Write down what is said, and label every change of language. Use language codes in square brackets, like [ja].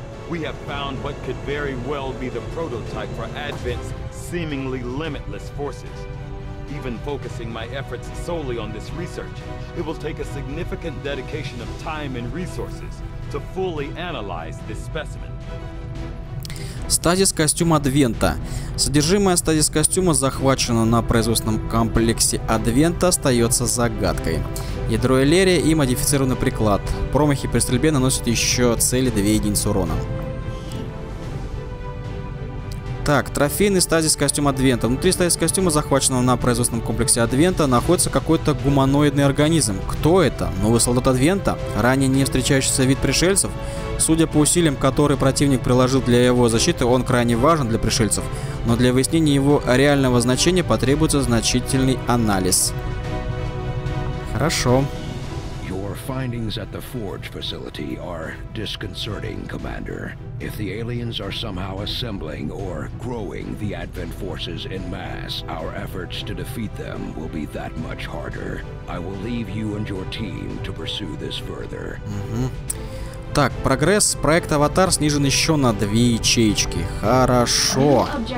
[en] We have found what could very well be the prototype for Advent's seemingly limitless forces. Even focusing my efforts solely on this research, it will take a significant dedication of time and resources to fully analyze this specimen. [ru] Стазис костюма Адвента. Содержимое стазис костюма, захваченного на производственном комплексе Адвента, остается загадкой. Ядро Эллерия и модифицированный приклад. Промахи при стрельбе наносят еще цели 2 единицы урона. Так, трофейный стазис костюм Адвента. Внутри стазис костюма, захваченного на производственном комплексе Адвента, находится какой-то гуманоидный организм. Кто это? Новый солдат Адвента? Ранее не встречающийся вид пришельцев? Судя по усилиям, которые противник приложил для его защиты, он крайне важен для пришельцев. Но для выяснения его реального значения потребуется значительный анализ. Хорошо. [en] Findings at the Forge facility are disconcerting, Commander. If the aliens are somehow assembling or growing the Advent forces in mass, our efforts to defeat them will be that much harder. I will leave you and your team to pursue this further. [ru] Так, прогресс. Проект Аватар снижен еще на 2 ячейки. Хорошо.